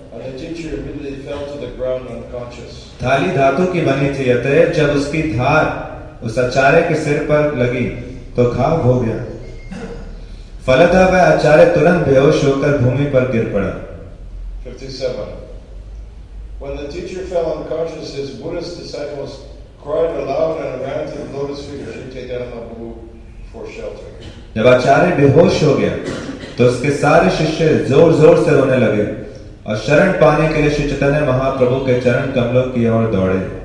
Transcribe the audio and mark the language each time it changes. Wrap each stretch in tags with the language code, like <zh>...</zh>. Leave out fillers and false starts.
<en>And the teacher immediately fell to the ground unconscious.</en> <hi>थाली धातु की बनी थी, अतः जब उसकी धार उस आचार्य के सिर पर लगी तो घाव हो गया, फलतः वह आचार्य तुरंत बेहोश होकर भूमि पर गिर पड़ा।</hi> <en>57 When the teacher fell unconscious, his Buddhist disciples cried aloud and ran to the lotus feet of Sri Chaitanya Mahaprabhu for shelter.</en> <hi>जब आचार्य बेहोश हो गया तो उसके सारे शिष्य जोर जोर से रोने लगे और शरण पाने के लिए श्री चैतन्य महाप्रभु के चरण कमलों की ओर दौड़े।</hi>